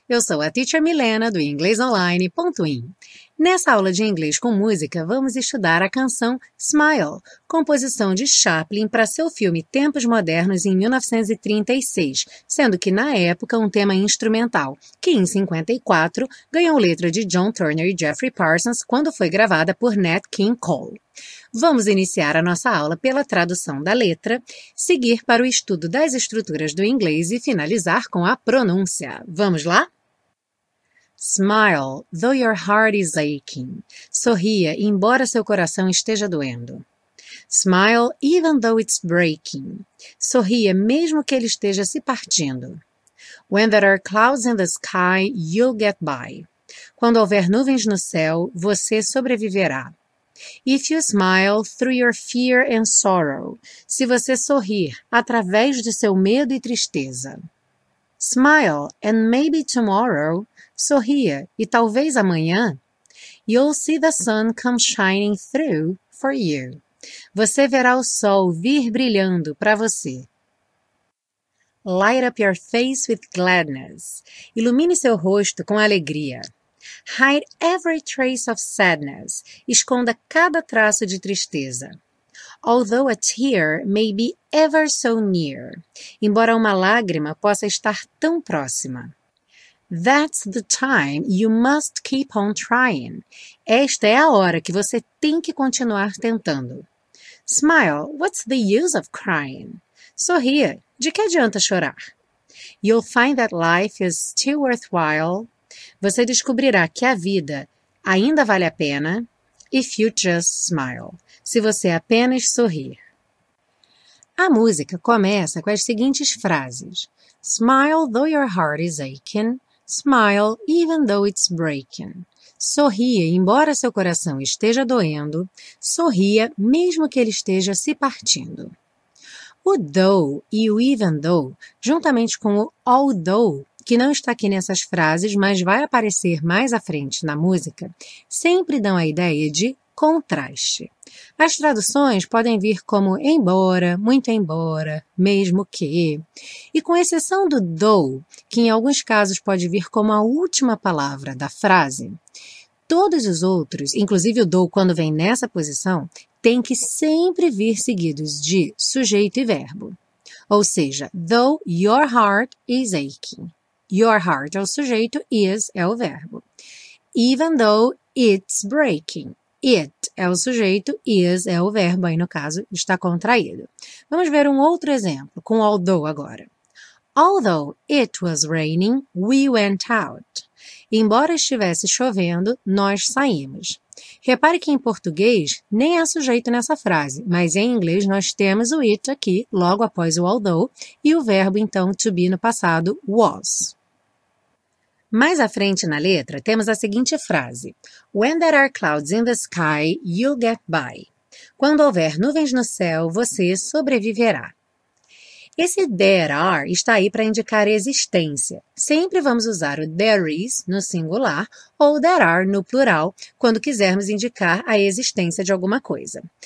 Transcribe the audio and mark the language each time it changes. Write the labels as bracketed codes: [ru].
[pt] Eu sou a Teacher Milena, do inglesonline.in. Nessa aula de inglês com música, vamos estudar a canção Smile, composição de Chaplin para seu filme Tempos Modernos em 1936, sendo que na época um tema instrumental, que em 1954 ganhou letra de John Turner e Jeffrey Parsons quando foi gravada por Nat King Cole. Vamos iniciar a nossa aula pela tradução da letra, seguir para o estudo das estruturas do inglês e finalizar com a pronúncia. Vamos lá? [en] Smile, though your heart is aching. [pt] Sorria, embora seu coração esteja doendo. [en] Smile, even though it's breaking. [pt] Sorria, mesmo que ele esteja se partindo. [en] When there are clouds in the sky, you'll get by. [pt] Quando houver nuvens no céu, você sobreviverá. [en] If you smile through your fear and sorrow. [pt] Se você sorrir através de seu medo e tristeza. [en] Smile, and maybe tomorrow. [pt] Sorria, e talvez amanhã, [en] you'll see the sun come shining through for you. [pt] Você verá o sol vir brilhando para você. [en] Light up your face with gladness. [pt] Ilumine seu rosto com alegria. [en] Hide every trace of sadness. [pt] Esconda cada traço de tristeza. [en] Although a tear may be ever so near. [pt] Embora uma lágrima possa estar tão próxima. [en] That's the time you must keep on trying. [pt] Esta é a hora que você tem que continuar tentando. [en] Smile, what's the use of crying? [pt] Sorria, de que adianta chorar? [en] You'll find that life is still worthwhile. [pt] Você descobrirá que a vida ainda vale a pena. [en] If you just smile. [pt] Se você apenas sorrir. A música começa com as seguintes frases. [en] Smile, though your heart is aching. Smile, even though it's breaking. [pt] Sorria, embora seu coração esteja doendo. Sorria, mesmo que ele esteja se partindo. O though e o even though, juntamente com o although, que não está aqui nessas frases, mas vai aparecer mais à frente na música, sempre dão a ideia de contraste. As traduções podem vir como embora, muito embora, mesmo que. E com exceção do though, que em alguns casos pode vir como a última palavra da frase, todos os outros, inclusive o though quando vem nessa posição, tem que sempre vir seguidos de sujeito e verbo. Ou seja, [en] though your heart is aching. [pt] Your heart é o sujeito, is é o verbo. [en] Even though it's breaking. [pt] It é o sujeito, is é o verbo, aí no caso está contraído. Vamos ver um outro exemplo com although agora. [en] Although it was raining, we went out. [pt] Embora estivesse chovendo, nós saímos. Repare que em português nem há sujeito nessa frase, mas em inglês nós temos o [en] it [pt] aqui, logo após o although, e o verbo então to be no passado, was. Mais à frente na letra, temos a seguinte frase. [en] When there are clouds in the sky, you'll get by. [pt] Quando houver nuvens no céu, você sobreviverá. Esse [en] there are [pt] está aí para indicar existência. Sempre vamos usar o there is no singular ou there are no plural quando quisermos indicar a existência de alguma coisa.